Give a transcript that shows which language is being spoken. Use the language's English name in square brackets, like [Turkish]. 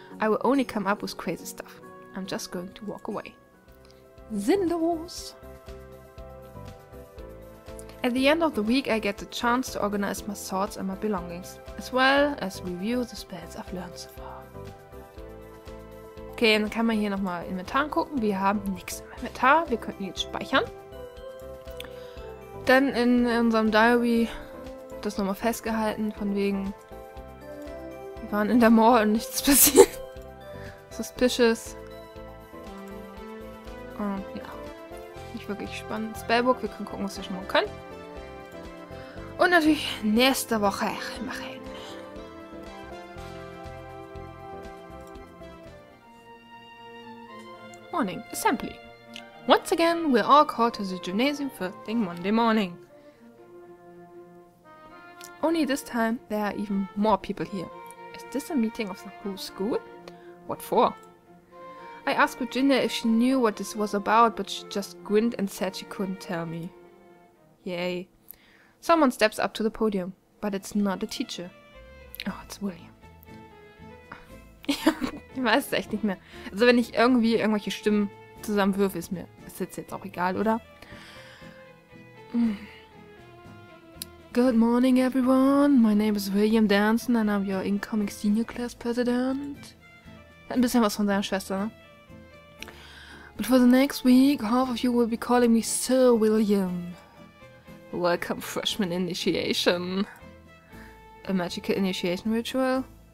[English] I will only come up with crazy stuff. I'm just going to walk away. [German] Sinnlos. [English] At the end of the week, I get the chance to organize my thoughts and my belongings, as well as review the spells I've learned so far. [German] Okay, dann kann man hier nochmal Inventar gucken. Wir haben nichts im Inventar. Wir könnten jetzt speichern. Dann in unserem Diary das nochmal festgehalten, von wegen, wir waren in der Mall und nichts passiert. Suspicious. Ja, nicht wirklich spannend. Spellbook, wir können gucken, was wir schon mal können. Und natürlich nächste Woche machen. [English] Morning, assembly. Once again, we're all called to the gymnasium first thing Monday morning. Only this time, there are even more people here. Is this a meeting of the whole school? What for? I asked Virginia if she knew what this was about, but she just grinned and said she couldn't tell me. Yay. Someone steps up to the podium, but it's not a teacher. Oh, it's William. [German] Ich weiß es echt nicht mehr. Also wenn ich irgendwie irgendwelche Stimmen zusammenwürfe, ist mir ist jetzt auch egal, oder? [English] Good morning, everyone. My name is William Danson and I'm your incoming senior class president. [German] Ein bisschen was von seiner Schwester, ne? [English] But for the next week, half of you will be calling me Sir William. Welcome, freshman initiation. A magical initiation ritual?